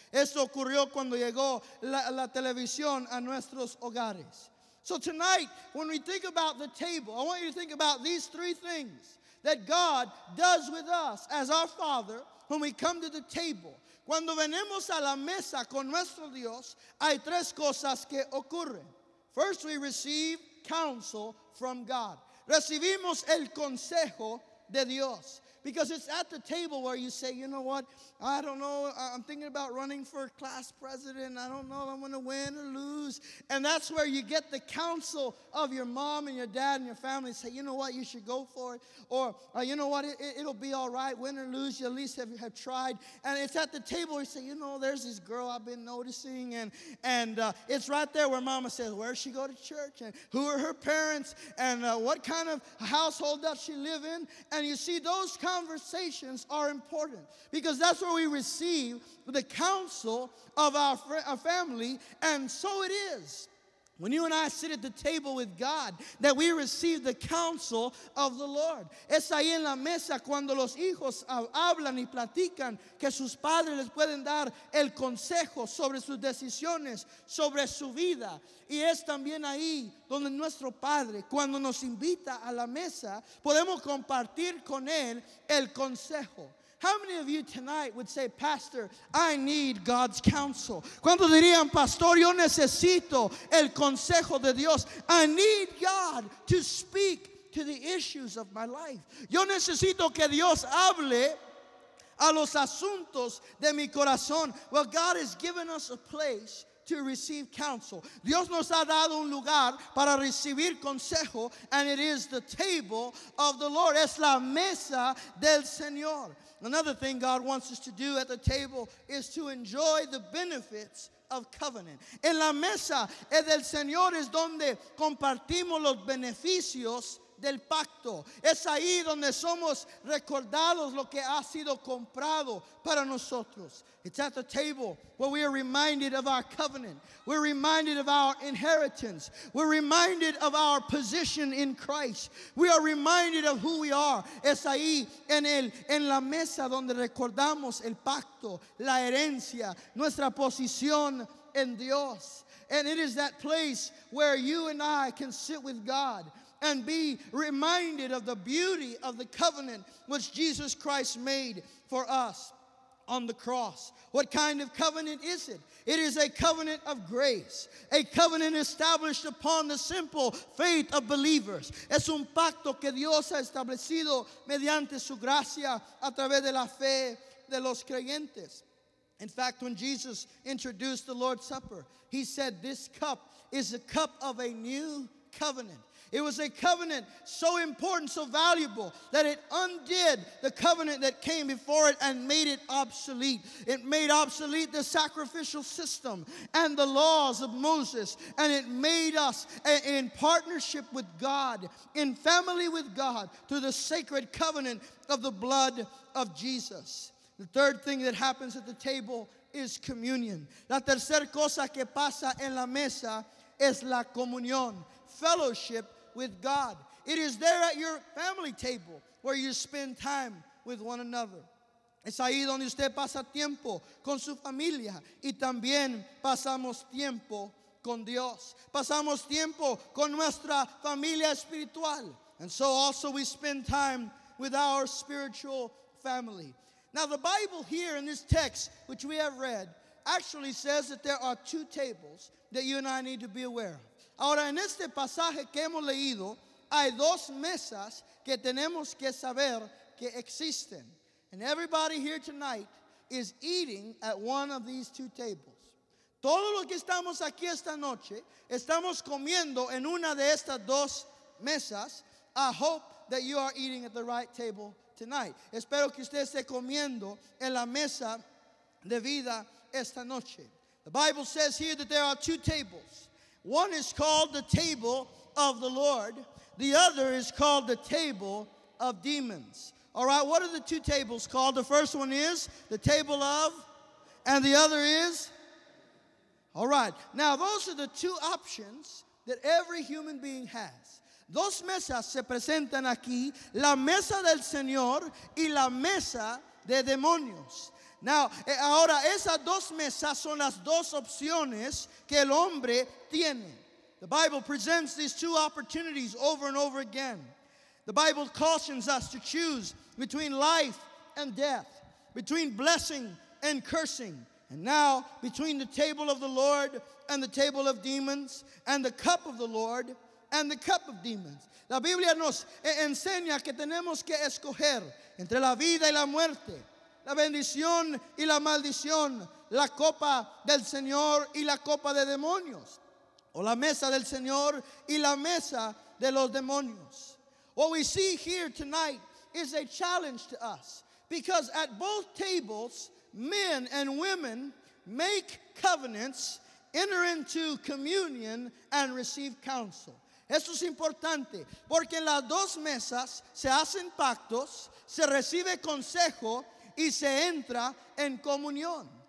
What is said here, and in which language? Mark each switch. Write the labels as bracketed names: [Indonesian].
[Spanish] Esto ocurrió cuando llegó la televisión a nuestros hogares. [English] So tonight, when we think about the table, I want you to think about these three things that God does with us as our Father when we come to the table. [Spanish] Cuando venimos a la mesa con nuestro Dios, hay tres cosas que ocurren. [English] First, we receive counsel from God. [Spanish] Recibimos el consejo de Dios. [English] Because it's at the table where you say, you know what, I don't know, I'm thinking about running for class president, I don't know if I'm going to win or lose. And that's where you get the counsel of your mom and your dad and your family, say, you know what, you should go for it. Or, you know what, it'll be all right, win or lose, you at least have tried. And it's at the table where you say, you know, there's this girl I've been noticing. And it's right there where mama says, where does she go to church? And who are her parents? And what kind of household does she live in? And you see those conversations are important because that's where we receive the counsel of our family. And so it is when you and I sit at the table with God that we receive the counsel of the Lord. [Spanish] Es ahí en la mesa cuando los hijos hablan y platican que sus padres les pueden dar el consejo sobre sus decisiones, sobre su vida. Y es también ahí donde nuestro Padre, cuando nos invita a la mesa, podemos compartir con él el consejo. [English] How many of you tonight would say, Pastor, I need God's counsel? [Spanish] ¿Cuánto dirían, Pastor, yo necesito el consejo de Dios? [English] I need God to speak to the issues of my life. [Spanish] Yo necesito que Dios hable a los asuntos de mi corazón. [English] Well, God has given us a place to receive counsel. [Spanish] Dios nos ha dado un lugar para recibir consejo, [English] and it is the table of the Lord. [Spanish] Es la mesa del Señor. [English] Another thing God wants us to do at the table is to enjoy the benefits of covenant. [Spanish] En la mesa del Señor es donde compartimos los beneficios del pacto. Es ahí donde somos recordados lo que ha sido comprado para nosotros. [English] It's at the table where we are reminded of our covenant. We're reminded of our inheritance. We're reminded of our position in Christ. We are reminded of who we are. [Spanish] Es ahí en la mesa donde recordamos el pacto, la herencia, nuestra posición en Dios. [English] And it is that place where you and I can sit with God and be reminded of the beauty of the covenant which Jesus Christ made for us on the cross. What kind of covenant is it? It is a covenant of grace, a covenant established upon the simple faith of believers. Es un pacto que Dios ha establecido mediante su gracia a través de la fe de los creyentes. In fact, when Jesus introduced the Lord's Supper, he said, "This cup is the cup of a new covenant." It was a covenant so important, so valuable, that it undid the covenant that came before it and made it obsolete. It made obsolete the sacrificial system and the laws of Moses. And it made us in partnership with God, in family with God, through the sacred covenant of the blood of Jesus. The third thing that happens at the table is communion. [Spanish] La tercera cosa que pasa en la mesa es la comunión, [English] fellowship with God. It is there at your family table where you spend time with one another. [Spanish] Es ahí donde usted pasa tiempo con su familia y también pasamos tiempo con Dios. Pasamos tiempo con nuestra familia espiritual. [English] And so also we spend time with our spiritual family. Now the Bible here in this text, which we have read, actually says that there are two tables that you and I need to be aware of. [Spanish] Ahora, en este pasaje que hemos leído, hay dos mesas que tenemos que saber que existen. [English] And everybody here tonight is eating at one of these two tables. [Spanish] Todos los que estamos aquí esta noche estamos comiendo en una de estas dos mesas. [English] I hope that you are eating at the right table tonight. [Spanish] Espero que usted esté comiendo en la mesa de vida esta noche. [English] The Bible says here that there are two tables. One is called the table of the Lord. The other is called the table of demons. All right, what are the two tables called? The first one is the table of, and the other is? All right, now those are the two options that every human being has. [Spanish] Dos mesas se presentan aquí, la mesa del Señor y la mesa de demonios. [English] Now, [Spanish] ahora esas dos mesas son las dos opciones que el hombre tiene. [English] The Bible presents these two opportunities over and over again. The Bible cautions us to choose between life and death, between blessing and cursing, and now between the table of the Lord and the table of demons, and the cup of the Lord and the cup of demons. [Spanish] La Biblia nos enseña que tenemos que escoger entre la vida y la muerte, la bendición y la maldición, la copa del Señor y la copa de demonios, o la mesa del Señor y la mesa de los demonios. [English] What we see here tonight is a challenge to us, because at both tables, men and women make covenants, enter into communion, and receive counsel. [Spanish] Esto es importante, porque en las dos mesas se hacen pactos, se recibe consejo, y se entra en comunión.